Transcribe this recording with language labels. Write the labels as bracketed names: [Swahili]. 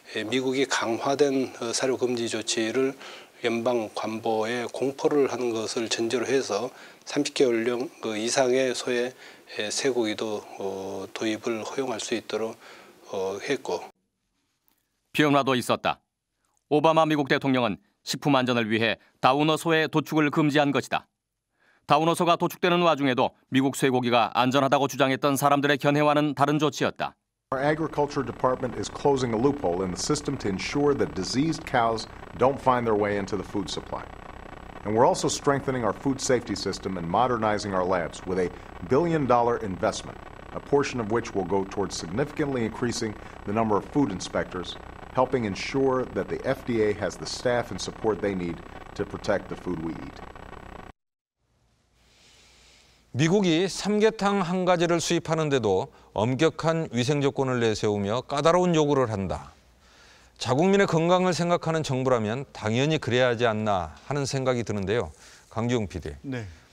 [Korean] 미국이 강화된 사료 금지 조치를 연방 관보에 공포를 하는 것을 전제로 해서 30개월령 이상의 소의 쇠고기도 도입을 허용할 수 있도록 했고 변화도 있었다. 오바마 미국 대통령은 식품 안전을 위해 다우너 소의 도축을 금지한 것이다. 다우너 소가 도축되는 와중에도 미국 쇠고기가 안전하다고 주장했던 사람들의 견해와는 다른 조치였다. [English] Our agriculture department is closing a loophole in the system to ensure that diseased cows don't find their way into the food supply. And we're also strengthening our food safety system and modernizing our labs with a $1 billion investment, a portion of which will go towards significantly increasing the number of food inspectors. Helping ensure that the FDA has the staff and support they need to protect the food we eat. [Korean] 미국이 삼계탕 한 가지를 수입하는데도 엄격한 위생 조건을 내세우며 까다로운 요구를 한다. 자국민의 건강을 생각하는 정부라면 당연히 그래야 하지 않나 하는 생각이 드는데요. 강지웅 PD. 네.